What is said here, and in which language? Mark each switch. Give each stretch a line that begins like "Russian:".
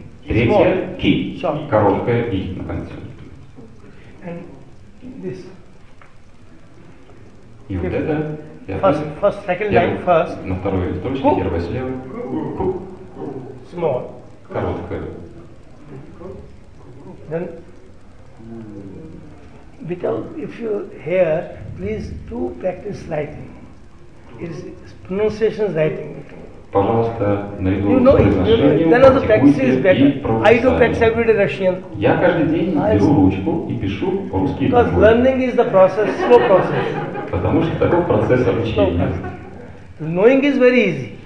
Russian: Третья ки, короткая и на конце.
English: And this.
Russian: И вот это
English: first, second line first.
Russian: На второй строчке первая слева.
English: Small.
Russian: Короткая.
English: Then, without if you hear, please do practice writing. It's pronunciation writing.
Russian: Пожалуйста, наряду с произношением, и правописание. Я каждый день беру ручку и пишу русские буквы.
English: Because learning is the process, slow process.
Russian: Потому что такой процесс обучения.
English: Knowing is very easy.